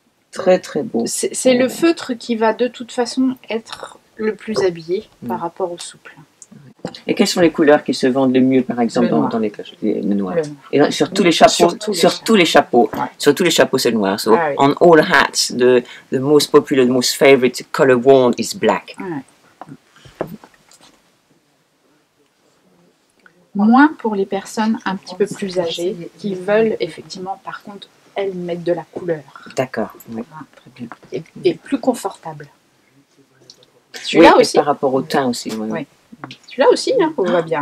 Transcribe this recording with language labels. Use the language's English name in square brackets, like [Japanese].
[French] Très très beau. C'est le feutre qui va de toute façon être le plus habillé par rapport au souple. Et quelles sont les couleurs qui se vendent le mieux, par exemple, dans les cloches? Le noir. Et sur tous les chapeaux, sur tous les chapeaux, c'est le noir. [English] So, on all hats, the most popular, the most favorite color worn is black. [French] Ouais. Moins pour les personnes un petit peu plus âgées qui veulent effectivement, par contre, elles mettent de la couleur. D'accord. Oui. Et plus confortable. Celui-là aussi. Par rapport au teint aussi. Oui. Celui-là aussi, hein, on voit bien.